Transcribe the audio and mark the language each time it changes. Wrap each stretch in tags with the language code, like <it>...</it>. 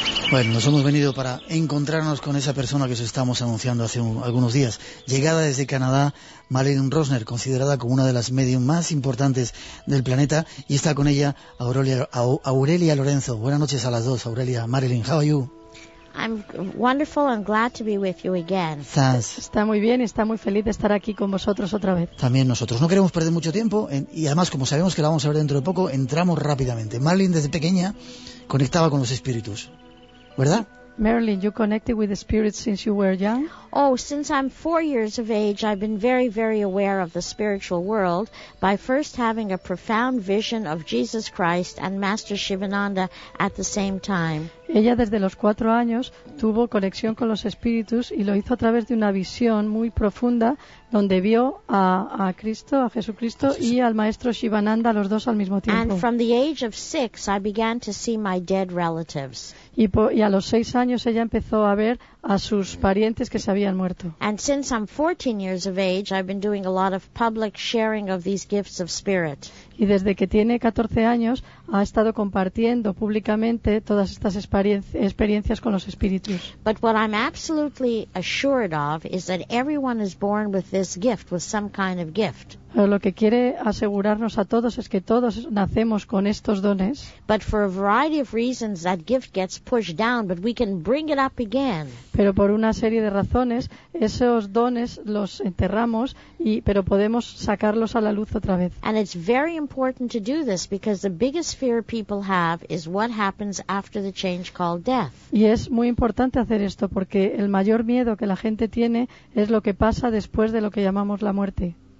<es>Hola. Bueno, nos hemos venido para encontrarnos con esa persona que os estamos anunciando hace algunos días. Llegada desde Canadá, Marilyn Rosner, considerada como una de las médiums más importantes del planeta, y está con ella Aurelia Lorenzo. Buenas noches a las dos, Aurelia. Marilyn,</es> <en>how are you? I'm wonderful and glad to be with you again. Thanks.</en> <es>Está muy bien, está muy feliz de estar aquí con vosotros otra vez. También nosotros. No queremos perder mucho tiempo y además, como sabemos que la vamos a ver dentro de poco, entramos rápidamente. Marilyn, desde pequeña, conectaba con los espíritus, ¿verdad?</es> <en>Marilyn, you connected with the spirits since you were young? Oh, since I'm 4 years of age, I've been very, very aware of the spiritual world by first having a profound vision of Jesus Christ and Master Shivananda at the same time.</en> <es>Ella desde los 4 años tuvo conexión con los espíritus y lo hizo a través de una visión muy profunda donde vio a Cristo, a Jesucristo y al Maestro Shivananda, los dos al mismo tiempo.</es> <en>And from the age of 6, I began to see my dead relatives.</en> <es>Y a los 6 años ella empezó a ver a sus parientes que se habían muerto.</es> <en>And since I'm 14 years of age, I've been doing a lot of public sharing of these gifts of spirit.</en> <es>Y desde que tiene 14 años ha estado compartiendo públicamente todas estas experiencias con los espíritus.</es> <en>But what I'm absolutely assured of is that everyone is born with this gift, with some kind of gift.</en> <es>Pero lo que quiere asegurarnos a todos es que todos nacemos con estos dones.</es> <en>But for a variety of reasons that gift gets pushed down, but we can bring it up again.</en> <es>Pero por una serie de razones esos dones los enterramos pero podemos sacarlos a la luz otra vez.</es> <en>And it's very important to do this because the biggest fear people have is what happens after the change called death.</en> <es>Y es muy importante hacer esto porque el mayor miedo que la gente tiene es lo que pasa después de lo que llamamos la muerte.</es>